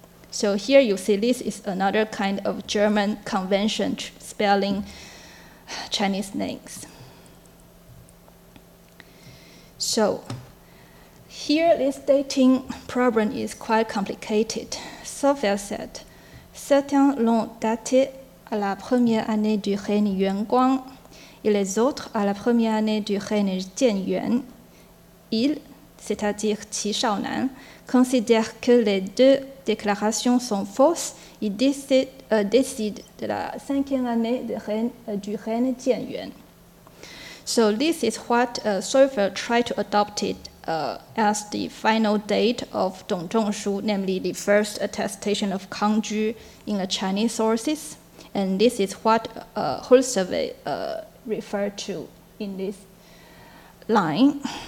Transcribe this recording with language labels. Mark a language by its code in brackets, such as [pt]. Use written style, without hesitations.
[en] So here you see this is another kind of German convention spelling Chinese names. So here this dating problem is quite complicated. Sophia said, [fr] certains l'ont daté à la première année du règne Yuan Guang, et les autres à la première année du règne Jian Yuan. Il, c'est-à-dire Qi Shaonan, considère que les deux déclarations sont fausses et décide de la cinquième année de règne Jian Yuan. [en] So this is what Sophia tried to adopt it as the final date of Dong Zhongshu, namely the first attestation of Kang Ju in the Chinese sources. And this is what Hulsevi referred to in this line.